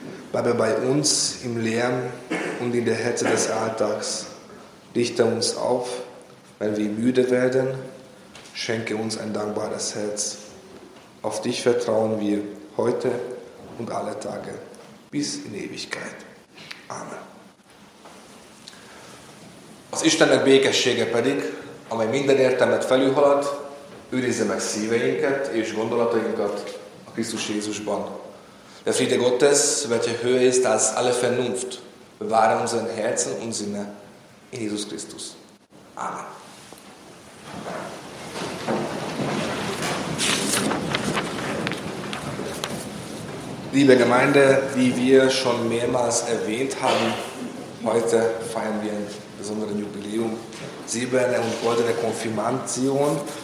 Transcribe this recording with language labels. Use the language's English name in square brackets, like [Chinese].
[German] Bleibe bei uns im Lärm und in der Hetze des Alltags. Richte uns auf, wenn wir müde werden. Schenke uns ein dankbares Herz. Auf dich vertrauen wir heute und alle Tage. Bis in Ewigkeit. Amen. [Hungarian] Az Istennek békessége pedig, amely minden értelmet felülhalad, őrizze meg szíveinket és gondolatainkat a Krisztus Jézusban. [German] Der Friede Gottes, welcher höher ist als alle Vernunft, bewahre unseren Herzen und Sinne in Jesus Christus. Amen. Liebe Gemeinde, wie wir schon mehrmals erwähnt haben, heute feiern wir ein besonderes Jubiläum, silberne und goldene Konfirmation.